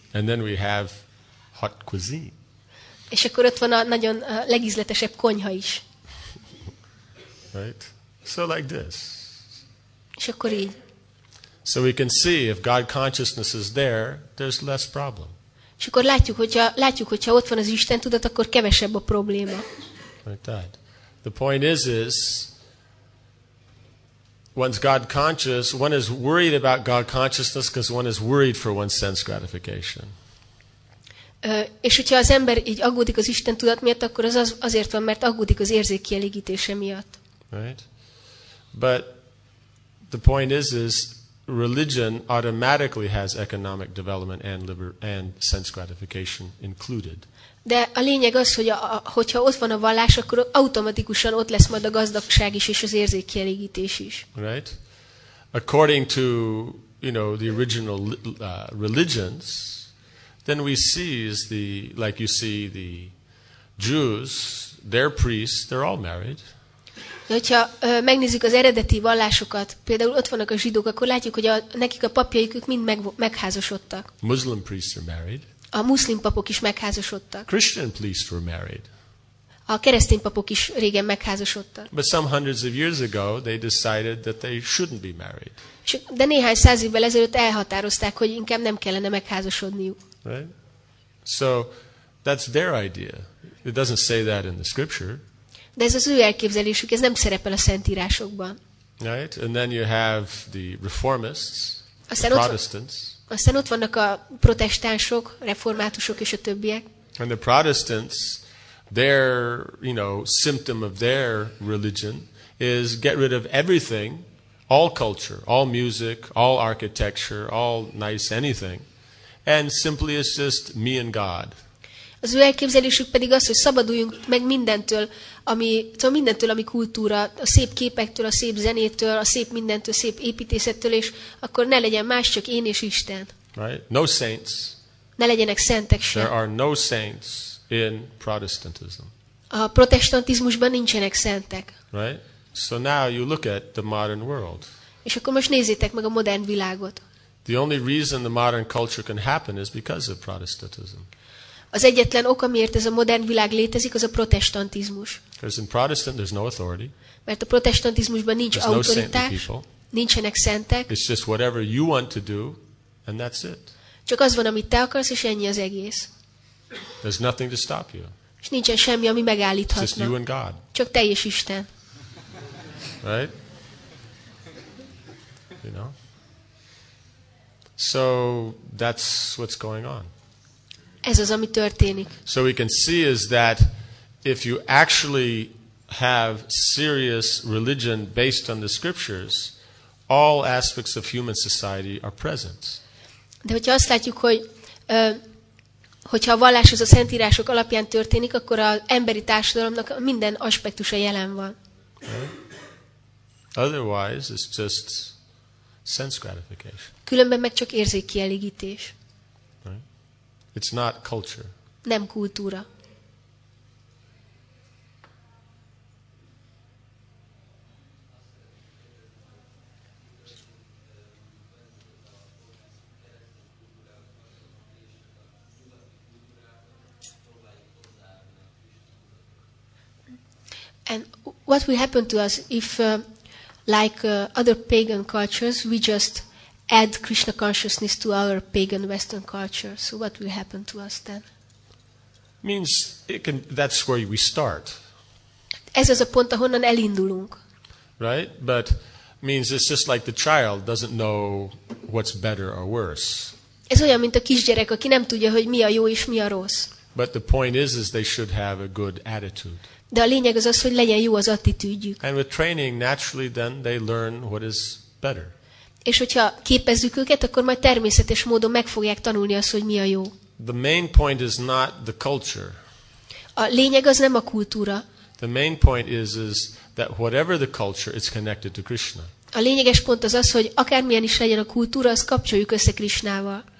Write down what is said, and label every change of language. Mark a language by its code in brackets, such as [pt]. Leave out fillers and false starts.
[en] And then we have hot cuisine. [hu] És akkor ott van a nagyon legízletesebb konyha is. [en] Right? So like this. [hu] És akkor így. [en] So we can see if God consciousness is there, there's less problem. [hu] És akkor látjuk, hogyha ott van az Isten tudat, akkor kevesebb a probléma. [en] Like that. The point is one's God conscious, one is worried about God consciousness because one is worried for one's sense gratification. [hu] És hogyha az ember így aggódik az Isten tudat miatt, akkor azért van, mert aggódik az érzékkielégítése miatt. [en] Right? But the point is religion automatically has economic development and sense gratification included. [hu] De a lényeg az, hogy hogyha ott van a vallás, akkor automatikusan ott lesz majd a gazdagság is és az érzékkielégítés is. [en] Right? According to, you know, the original religions, then we see is the, like you see the Jews, their priests, they're all married. [hu] Hogyha megnézzük az eredeti vallásokat, például ott vannak a zsidók, akkor látjuk, hogy nekik a papjaik, ők mind megházasodtak. [en] Muslim priests are married. [hu] A muszlim papok is megházasodtak. [en] Christian priests were married. [hu] A keresztény papok is régen megházasodtak. [en] But some hundreds of years ago, they decided that they shouldn't be married. [hu] De néhány száz évvel ezelőtt elhatározták, hogy inkább nem kellene megházasodniuk. [en] Right? So, that's their idea. It doesn't say that in the scripture. [hu] De ez az ő elképzelésük, ez nem szerepel a szentírásokban. [en] Right? And then you have the reformists, [hu] aztán [en] the Protestants. [hu] Aztán ott vannak a protestánsok, reformátusok és a többiek. [en] And the Protestants, their, you know, symptom of their religion is get rid of everything, all culture, all music, all architecture, all nice anything, and simply it's just me and God. [hu] Az ő elképzelésük pedig az, hogy szabaduljunk meg mindentől, ami, tudom, mindentől, ami kultúra, a szép képektől, a szép zenétől, a szép mindentől, szép építészettől, és akkor ne legyen más, csak én és Isten. [en] Right? No saints. [hu] Ne legyenek szentek sem. [en] There are no saints in Protestantism. [hu] A protestantizmusban nincsenek szentek. [en] Right? So now you look at the modern world. [hu] És akkor most nézzétek meg a modern világot. [en] The only reason the modern culture can happen is because of Protestantism. [hu] Az egyetlen ok, amiért ez a modern világ létezik, az a protestantizmus. [en] Because in Protestant there's no authority. [hu] Mert a protestantizmusban nincs autoritás. Nincsenek szentek. [en] It's just whatever you want to do, and that's it. [hu] Csak az van, amit te akarsz, és ennyi az egész. [en] There's nothing to stop you. [hu] És nincsen semmi, ami megállíthatna. [en] It's just you and God. [hu] Csak te és Isten. [en] Right? You know? So that's what's going on. [hu] Ez az, ami történik. [en] So we can see is that if you actually have serious religion based on the scriptures, all aspects of human society are present. [hu] De hogyha azt látjuk, hogy hogyha a vallás az a szentírások alapján történik, akkor az emberi társadalomnak minden aspektusa jelen van. [en] Otherwise, it's just sense gratification. [hu] Különben meg csak érzékkielégítés. [en] It's not culture. [hu] Nem kultúra. [en] And what will happen to us if, like other pagan cultures, we just add Krishna consciousness to our pagan Western culture? So what will happen to us then? Means it can, that's where we start. [hu] Ez az a pont, ahonnan elindulunk. [en] Right? But means it's just like the child doesn't know what's better or worse. [hu] Ez olyan, mint a kisgyerek, aki nem tudja, hogy mi a jó és mi a rossz. [en] But the point is they should have a good attitude. [hu] De a lényeg az, hogy legyen jó az attitűdjük. [en] And with training, naturally then they learn what is better. [hu] És hogyha képezzük őket, akkor majd természetes módon meg fogják tanulni azt, hogy mi a jó. [en] The main point is not the culture. [hu] A lényeg az nem a kultúra. [en] The main point is that whatever the culture, it's connected to Krishna. [hu] A lényeges pont az az, hogy akármilyen is legyen a kultúra, az kapcsoljuk össze Krishnával.